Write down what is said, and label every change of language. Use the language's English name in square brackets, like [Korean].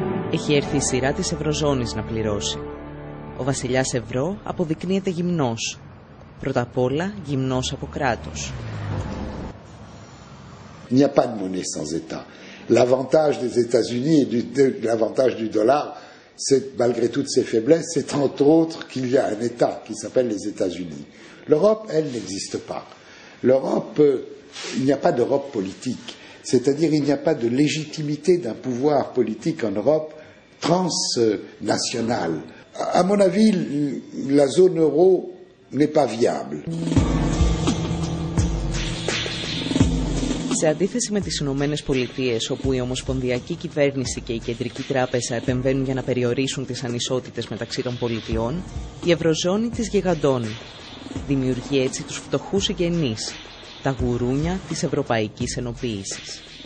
[Greek] Έχει έρθει η σειρά της Ευρωζώνης να πληρώσει. Ο βασιλιάς Ευρώ αποδεικνύεται γυμνός. Πρώτα απ' όλα γυμνός από κράτος. [French] Il n'y a pas de monnaie sans état. L'avantage des États-Unis et l'avantage du dollar malgré toutes ses faiblesses, c'est entre autres qu'il y a un État qui s'appelle les États-Unis. L'Europe, elle, n'existe pas. L'Europe, il n'y a pas d'Europe politique, c'est-à-dire il n'y a pas de légitimité d'un pouvoir politique en Europe transnationale. À mon avis, la zone euro n'est pas viable. [Greek] Σε αντίθεση με τις Ηνωμένες Πολιτείες, όπου η Ομοσπονδιακή Κυβέρνηση και η Κεντρική Τράπεζα επεμβαίνουν για να περιορίσουν τις ανισότητες μεταξύ των πολιτιών, η Ευρωζώνη τις γιγαντώνει. Δημιουργεί έτσι τους φτωχούς συγγενείς, τα γουρούνια της ευρωπαϊκής ενοποίησης.